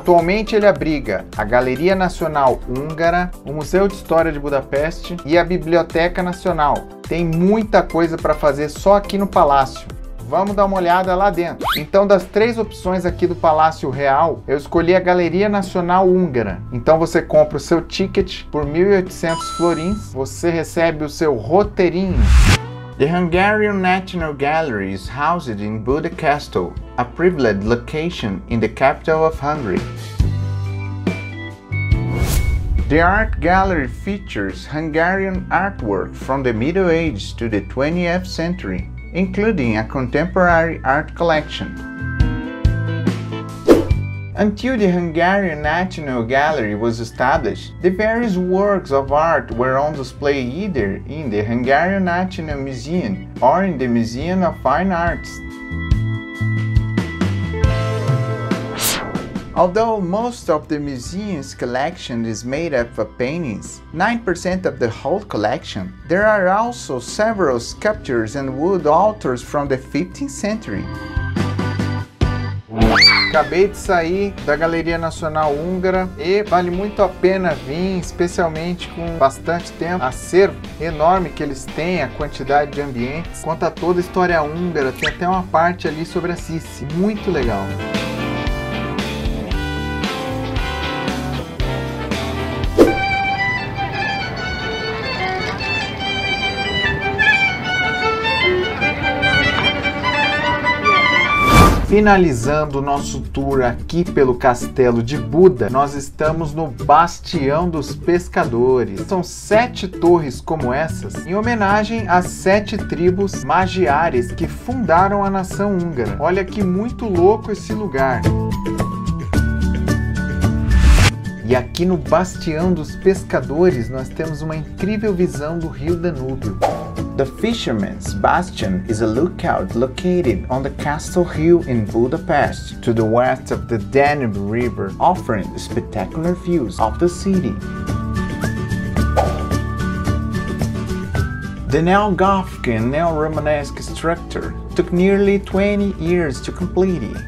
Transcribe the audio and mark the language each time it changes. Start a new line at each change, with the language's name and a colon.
Portuguese: Atualmente ele abriga a Galeria Nacional Húngara, o Museu de História de Budapeste e a Biblioteca Nacional. Tem muita coisa para fazer só aqui no palácio. vamos dar uma olhada lá dentro. Então, das três opções aqui do Palácio Real, eu escolhi a Galeria Nacional Húngara. Então, você compra o seu ticket por 1.800 florins, você recebe o seu roteirinho.
English: The Hungarian National Gallery is housed in Buda Castle, a privileged location in the capital of Hungary. The art gallery features Hungarian artwork from the Middle Ages to the 20th century, including a contemporary art collection. Until the Hungarian National Gallery was established, the various works of art were on display either in the Hungarian National Museum or in the Museum of Fine Arts. Although most of the museum's collection is made up of paintings, 9% of the whole collection, there are also several sculptures and wood altars from the 15th century.
Portuguese: Acabei de sair da Galeria Nacional Húngara e vale muito a pena vir, especialmente com bastante tempo. Acervo enorme que eles têm, a quantidade de ambientes, conta toda a história húngara, tem até uma parte ali sobre a Sisi, muito legal. Finalizando o nosso tour aqui pelo Castelo de Buda, nós estamos no Bastião dos Pescadores. São 7 torres como essas, em homenagem às 7 tribos magiares que fundaram a nação húngara. Olha que muito louco esse lugar. E aqui no Bastião dos Pescadores, nós temos uma incrível visão do Rio Danúbio.
English: The Fisherman's Bastion is a lookout located on the Castle Hill in Budapest, to the west of the Danube River, offering spectacular views of the city. The neo-Gothic and neo-Romanesque structure took nearly 20 years to complete it.